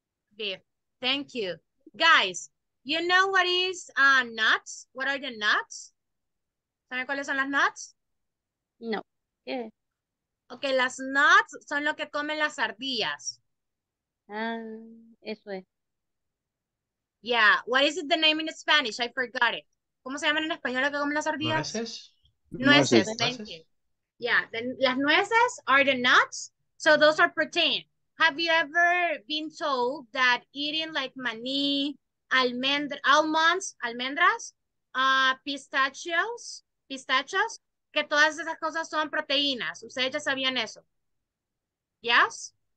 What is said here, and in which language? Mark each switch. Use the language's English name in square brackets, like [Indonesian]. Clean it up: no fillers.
[English] Beef, thank you. Guys, you know what is nuts? What are the nuts? [Spanish] ¿Saben cuáles son las nuts? [English] No. Yeah. [Spanish] Okay, las nuts son lo que comen las ardillas. Ah, eso es. [English] Yeah, what is it the name in Spanish? I forgot it. [Spanish] ¿Cómo se llaman en español lo que comen las ardillas? Nueces. Nueces, nueces. [English] Thank you. Yeah, [Spanish] las nueces [English] are the nuts, so those are protein. Have you ever been told that eating like [Spanish] maní, almendras, pistachios, que todas esas cosas son proteínas. ¿Ustedes ya sabían eso? [English] Yes?